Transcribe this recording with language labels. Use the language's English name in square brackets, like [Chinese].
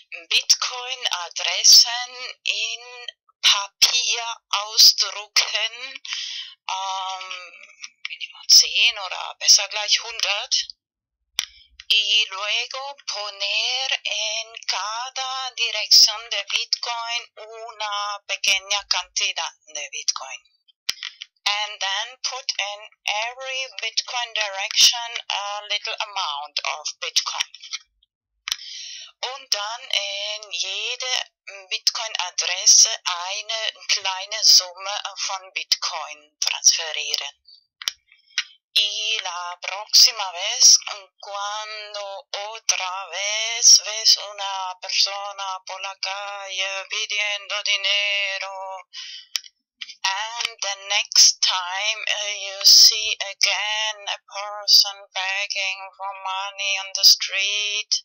[German] Bitcoin Adressen in Papier ausdrucken, minimal 10 oder besser gleich 100. [Spanish] Y luego poner en cada dirección de Bitcoin una pequeña cantidad de Bitcoin. [English] And then put in every Bitcoin direction a little amount of Bitcoin. [German] Und dann in jede Bitcoin-Adresse eine kleine Summe von Bitcoin transferieren. [Spanish] Y la próxima vez, cuando otra vez ves una persona por la calle pidiendo dinero, [English] and the next time you see again a person begging for money on the street.